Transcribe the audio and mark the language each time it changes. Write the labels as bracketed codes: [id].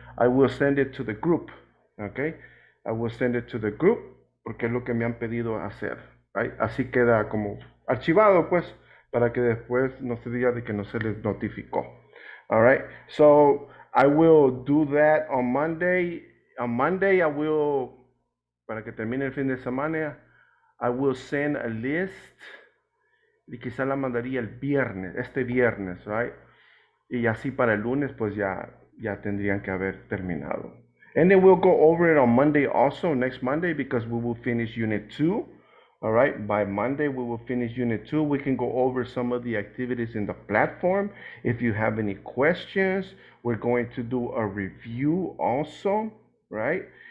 [en] I will send it to the group, okay? I will send it to the group, [es] porque es lo que me han pedido hacer, [en] right? [es] Así queda como archivado, pues, para que después no se diga de que no se les notificó. [en] All right, so I will do that on Monday. On Monday, I will, [es] para que termine el fin de semana, [en] I will send a list, [es] y quizá la mandaría el viernes, este viernes, right? Y así para el lunes, pues ya tendrían que haber terminado. [en] And then we'll go over it on Monday also, next Monday, because we will finish Unit 2. All right, by Monday, we will finish Unit 2. We can go over some of the activities in the platform. If you have any questions, we're going to do a review also, right?